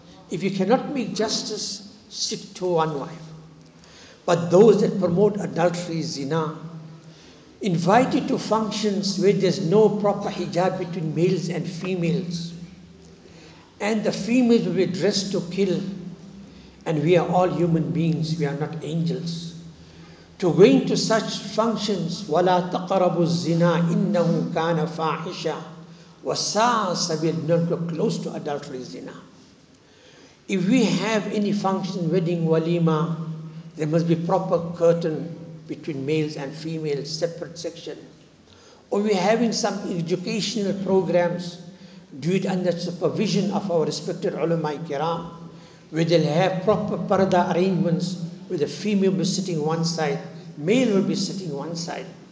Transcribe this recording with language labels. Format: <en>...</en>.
<en>If you cannot make justice, stick to one wife. But those that promote adultery, zina, invited to functions where there's no proper hijab between males and females, and the females will be dressed to kill, and we are all human beings, we are not angels. To go into such functions,</en> <ar>وَلَا تَقَرَبُوا الزِّنَا إِنَّهُ كَانَ فَاحِشًا وَسَاءَ سَبِيلًا.</ar> <en>Not go close to adultery, zina. If we have any function, wedding, walima, there must be proper curtain between males and females, separate section. Or we're having some educational programs, do it under supervision of our respected ulama-i kiram, where they'll have proper parda arrangements, where the female will be sitting one side, male will be sitting one side.</en>